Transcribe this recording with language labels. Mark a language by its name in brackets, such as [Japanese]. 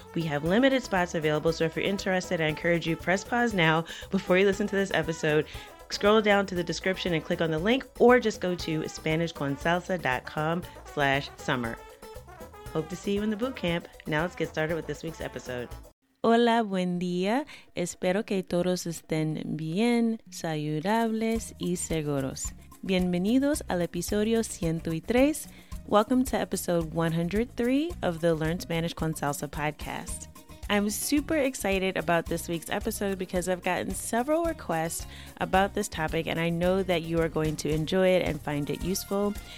[English] We have limited spots available, so if you're interested, I encourage you press pause now before you listen to this episode. Scroll down to the description and click on the link, or just go to SpanishConSalsa.com/summer. Hope to see you in the boot camp. Now let's get started with this week's episode. [Spanish] Hola, buen día. Espero que todos estén bien, saludables y seguros. Bienvenidos al episodio 103. [English] Welcome to episode 103 of the Learn Spanish con Salsa podcast. I'm super excited about this week's episode because I've gotten several requests about this topic, and I know that you are going to enjoy it and find it useful.